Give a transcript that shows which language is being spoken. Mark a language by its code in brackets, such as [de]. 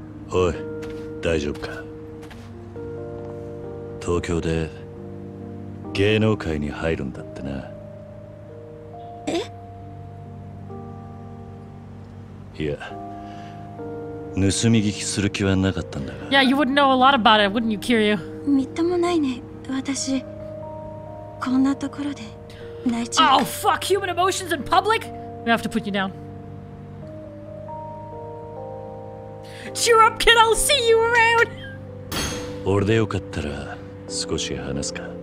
[ja] おい、大丈夫か。東京で芸能界に入るんだってな。え？いや、盗み聞きする気はなかったんだが。 [en] Yeah, you wouldn't know a lot about it, wouldn't you, Kiryu? [ja] みっともないね、私こんなところで泣いちゃう。 [en] Oh, fuck! Human emotions in public? We have to put you down. Cheer up, kid! I'll see you around! [ja] 俺でよかったら少し話すか。